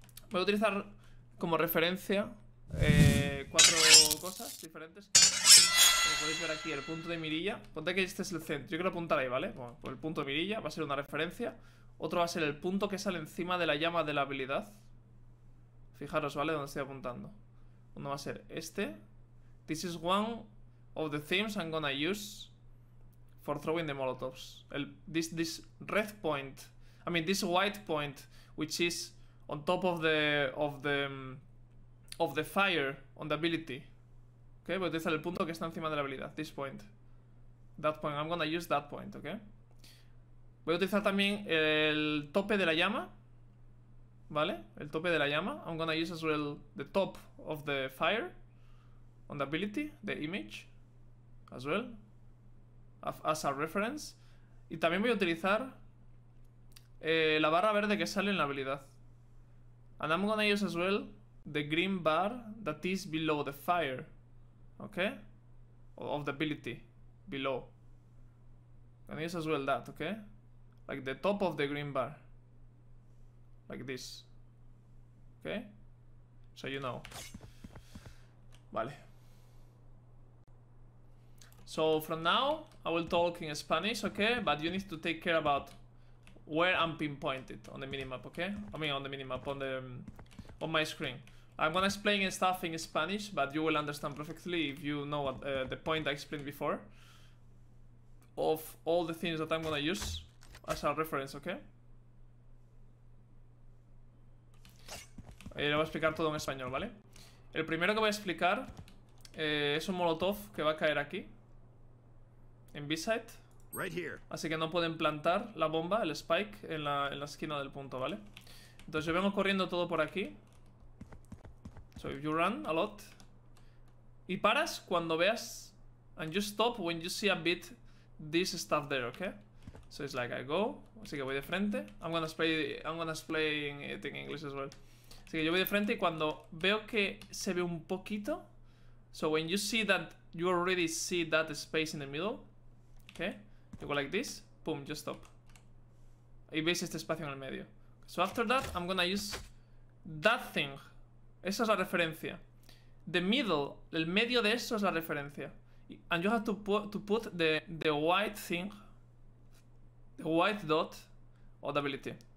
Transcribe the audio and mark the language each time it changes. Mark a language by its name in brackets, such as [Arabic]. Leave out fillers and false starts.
[Spanish] Voy a utilizar como referencia, cuatro cosas diferentes. Como podéis ver aquí, el punto de mirilla. Ponte que este es el centro. Yo quiero apuntar ahí, ¿vale? Bueno, pues el punto de mirilla va a ser una referencia. Otro va a ser el punto que sale encima de la llama de la habilidad. Fijaros, ¿vale? Donde estoy apuntando. Uno va a ser este. [English] This is one of the themes I'm gonna use for throwing the molotovs. This red point. I mean, this white point, which is on top of the fire on the ability. [Spanish] Okay, voy a utilizar el punto que está encima de la habilidad. [English] This point. That point. I'm gonna use that point, okay? [Spanish] Voy a utilizar también el tope de la llama. ¿Vale? El tope de la llama. [English] I'm gonna use as well the top of the fire on the ability, the image as well as a reference. [Spanish] Y también voy a utilizar la barra verde que sale en la habilidad. [English] And I'm gonna use as well the green bar that is below the fire. Okay? Of the ability. Below. Gonna use as well that, okay? Like the top of the green bar. Like this. Okay? So you know. Vale. So from now, I will talk in Spanish, okay? But you need to take care about where I'm pinpointed on the minimap, okay? I mean on the minimap, on my screen. I'm gonna explain stuff in Spanish, but you will understand perfectly if you know what the point I explained before. Of all the things that I'm gonna use as a reference, okay? [Spanish] Lo voy a explicar todo en español, ¿vale? El primero que voy a explicar es un molotov que va a caer aquí. En B-side. [English] Right here. [Spanish] Así que no pueden plantar la bomba, el spike, en la esquina del punto, ¿vale? Entonces yo vengo corriendo todo por aquí. [English] So if you run a lot. [Spanish] Y paras cuando veas. [English] And you stop when you see a bit this stuff there, ¿okay? So it's like I go. [Spanish] Así que voy de frente. [English] I'm gonna play it in English as well. [Spanish] Así que yo voy de frente y cuando veo que se ve un poquito. [English] So when you see that, you already see that space in the middle. ¿Okay? You go like this, boom, just stop. [Spanish] Y veis este espacio en el medio. [English] So after that, I'm gonna use that thing. [Spanish] Esa es la referencia. [English] The middle, [Spanish] el medio de eso es la referencia. [English] And you have to put the white thing, the white dot, or the ability.